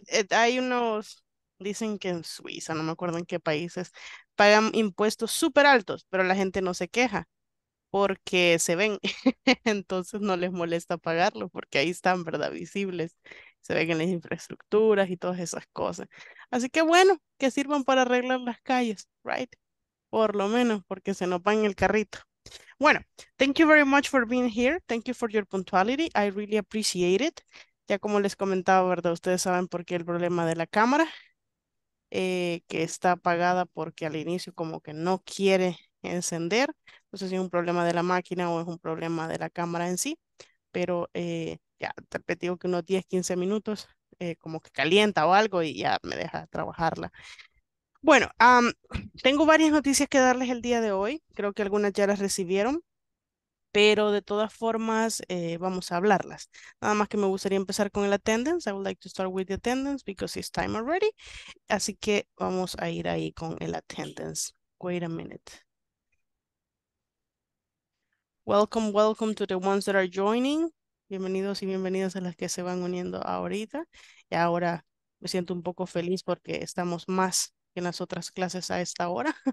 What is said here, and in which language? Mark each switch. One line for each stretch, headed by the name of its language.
Spanish: Hay unos, dicen que en Suiza, no me acuerdo en qué países, pagan impuestos súper altos, pero la gente no se queja porque se ven, entonces no les molesta pagarlo porque ahí están, ¿verdad? Visibles, se ven en las infraestructuras y todas esas cosas. Así que bueno, que sirvan para arreglar las calles, ¿right? Por lo menos porque se nos va en el carrito.
English: Bueno, thank you very much for being here. Thank you for your punctuality. I really appreciate it.
Spanish: Ya como les comentaba, ¿verdad? Ustedes saben por qué el problema de la cámara. Que está apagada porque al inicio como que no quiere encender. No sé si es un problema de la máquina o es un problema de la cámara en sí, pero ya te repetí que unos 10, 15 minutos como que calienta o algo y ya me deja trabajarla. Bueno, tengo varias noticias que darles el día de hoy. Creo que algunas ya las recibieron, pero de todas formas vamos a hablarlas. Nada más que me gustaría empezar con el attendance.
English: I would like to start with the attendance because it's time already.
Spanish: Así que vamos a ir ahí con el attendance.
English: Wait a minute. Welcome, welcome to the ones that are joining.
Spanish: Bienvenidos y bienvenidas a las que se van uniendo ahorita. Y ahora me siento un poco feliz porque estamos más en las otras clases a esta hora.